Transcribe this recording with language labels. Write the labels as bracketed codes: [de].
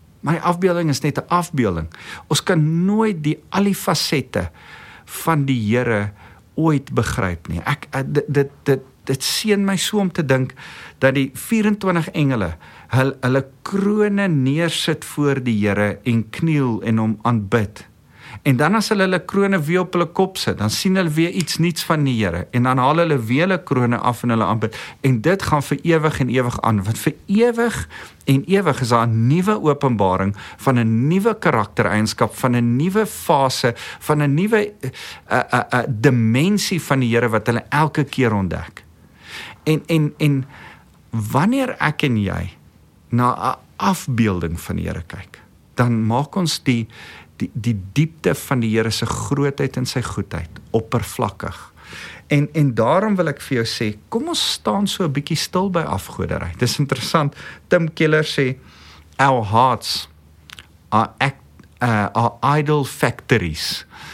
[af] My afbeelding is net 'n afbeelding. Ons kan nooit die al die fasette van die Here ooit begryp nie. Dit seën my so om te dink dat die 24 engele hulle krone neersit voor die Here en kniel en hom aanbid. En dan as hulle krone weer op hulle kop sit, dan sien hulle weer iets niets van die Here. En dan haal hulle weer hulle krone af en hulle aanbid. En dit gaan vir ewig en ewig aan. Want vir ewig en ewig is daar 'n nuwe openbaring van 'n nuwe karaktereienskap, van 'n nuwe fase, van 'n nuwe dimensie van die Here wat hulle elke keer ontdek. En wanneer ek en jy na 'n afbeelding van die Here kyk, dan maak ons die diepte van die Here se grootheid en sy goedheid oppervlakkig. En daarom wil ek vir jou sê, kom ons staan so 'n bietjie stil by afgoderry. Dis interessant. [en] Tim Keller [af] sê, [en] our hearts are idol factories.